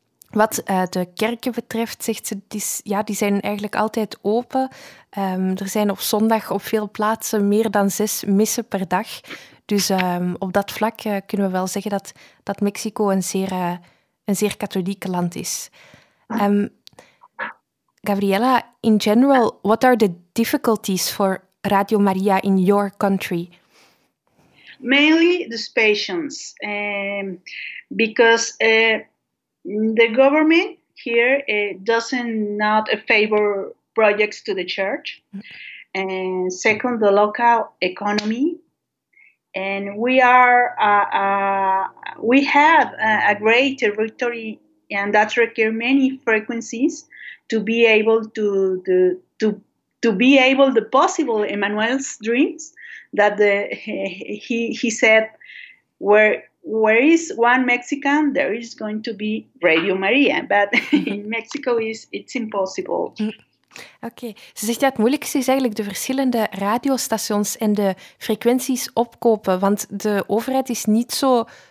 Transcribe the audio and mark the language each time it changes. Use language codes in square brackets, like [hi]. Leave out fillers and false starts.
[nl] Wat de kerken betreft, zegt ze, die zijn eigenlijk altijd open. Er zijn op zondag op veel plaatsen meer dan 6 missen per dag. Dus op dat vlak kunnen we wel zeggen dat Mexico een zeer katholieke land is. [en] Gabriela, in general, what are the difficulties for Radio Maria in your country? Mainly the patients, because the government here doesn't favor projects to the church. And second, the local economy. And we have a great territory, and that requires many frequencies to be able to be able the possible Emmanuel's dreams. That he said, where is one Mexican, there is going to be Radio Maria. But in Mexico, it's impossible. Oké. Okay. [nl] Ze zegt dat het moeilijkste is eigenlijk de verschillende radiostations en de frequenties opkopen. Want de overheid is niet zo...